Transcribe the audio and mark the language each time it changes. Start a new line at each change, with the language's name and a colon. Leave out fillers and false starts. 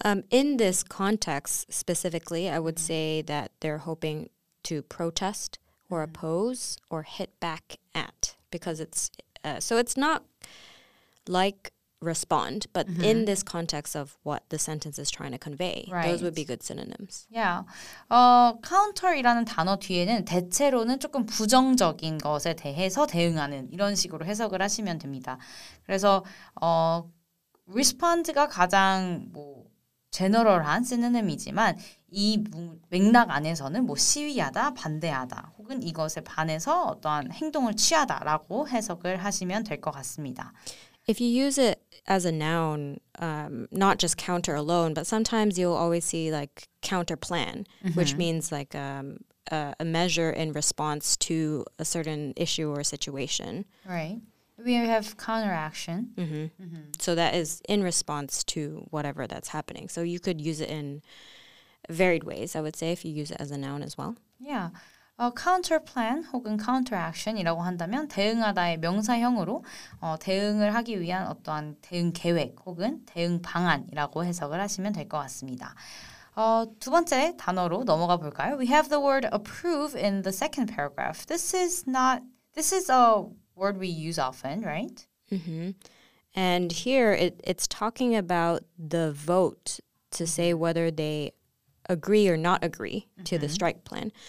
English: In this context specifically, I would say that they're hoping to protest or oppose or hit back at because it's so it's not like respond, but mm-hmm. in this context of what the sentence is trying to convey, right. those would be good synonyms. Yeah.
Korean: Counter이라는 단어 뒤에는 대체로는 조금 부정적인 것에 대해서 대응하는 이런 식으로 해석을 하시면 됩니다. 그래서 respond가 가장 뭐 제너럴한 synonym이지만 이 맥락 안에서는 뭐 시위하다, 반대하다 혹은 이것에 반해서 어떠한 행동을 취하다라고 해석을 하시면 될 것 같습니다.
English: If you use it as a noun, not just counter alone, but sometimes you'll always see like counter plan, mm-hmm. which means like a measure in response to a certain issue or situation. Right. We have counteraction. Mm-hmm. Mm-hmm. So that is in response to whatever that's happening. So you could use it in varied ways, I would say, if you use it as a noun as well. Yeah.
Korean: Counter plan 혹은 counter action이라고 한다면 대응하다의 명사형으로 대응을 하기 위한 어떠한 대응 계획 혹은 대응 방안이라고 해석을 하시면 될 것 같습니다. 두 번째 단어로 넘어가 볼까요?
English: We have the word approve in the second paragraph. This is a word we use often, right? Mm-hmm. And here it's talking about the vote to say whether they agree or not agree mm-hmm. to the strike plan.